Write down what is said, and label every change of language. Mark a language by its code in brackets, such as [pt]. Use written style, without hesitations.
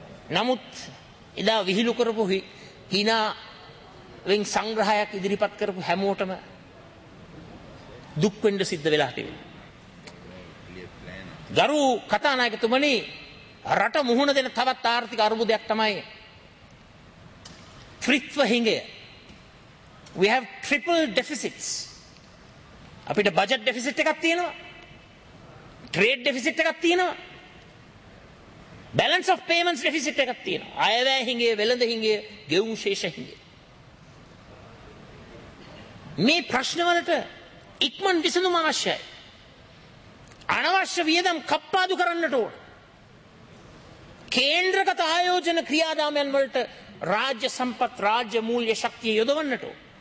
[si] නමුත් එදා විහිළු කරපු hina වෙන් සංග්‍රහයක් ඉදිරිපත් කරපු හැමෝටම දුක් වෙන්න සිද්ධ වෙලා තිබෙනවා. ගරු කතානායකතුමනි, රට මුහුණ දෙන තවත් ආර්ථික අර්බුදයක් තමයි ත්‍රිත්ව හිඟය. [en] We have triple deficits. [si] අපිට budget deficit එකක් තියෙනවා. Trade deficit එකක් තියෙනවා. Balance of payments deficit එකක් තියෙනවා. අයවැය හිඟය, වෙළඳ හිඟය, ගෙවුම් ශේෂ හිඟය. මේ ප්‍රශ්නවලට ඉක්මන් විසඳුම අවශ්‍යයි. අනවශ්‍ය වියදම් කප්පාදු කරන්නට ඕන. කේන්ද්‍රගත ආයෝජන ක්‍රියාදාමයන් වලට රාජ්‍ය සම්පත්, රාජ්‍ය මූල්‍ය ශක්තිය යොදවන්නට ඕන.